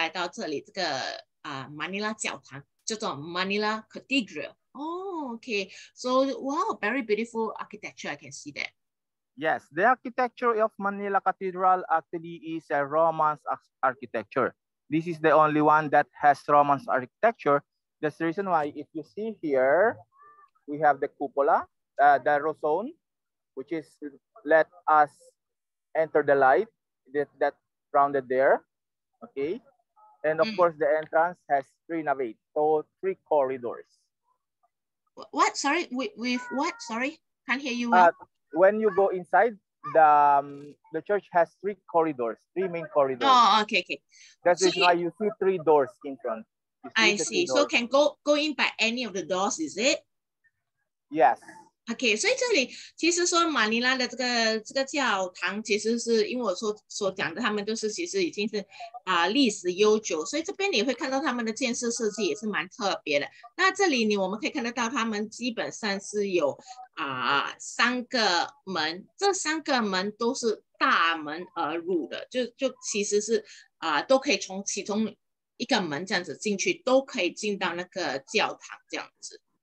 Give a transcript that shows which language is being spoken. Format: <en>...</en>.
<zh>所以我们基本上就是说我们现在是来到马尼拉的另外一个地方，所以就是说这里就是其实是在马尼拉这个地方是西南部的，是西南部，而且我们现在看的这个教堂其实是马尼拉数一数二最大以及最古老的教堂，所以我们今天就来到这里这个马尼拉教堂，叫做 Manila Cathedral.</zh> <en>Okay, so wow, very beautiful architecture, I can see that. Yes, the architecture of Manila Cathedral actually is a Romance architecture. This is the only one that has Romance architecture. That's the reason why, if you see here, we have the cupola, the rosone, which is let us enter the light that rounded there. Okay, and of course the entrance has three naves, so three corridors. What? Sorry, with what? Sorry, can't hear you well. When you go inside, the church has three corridors, three main corridors. Oh, okay. That's why you see three doors in front. I see. So can go in by any of the doors, is it? Yes.</en> <zh>Okay, 所以这里其实说马尼拉的这个教堂其实是因为我所讲的他们都是其实已经是历史悠久，所以这边你会看到他们的建设设计也是蛮特别的。那这里我们可以看得到他们基本上是有三个门，这三个门都是大门而入的，就其实是都可以从其中一个门这样子进去都可以进到那个教堂这样子。</zh>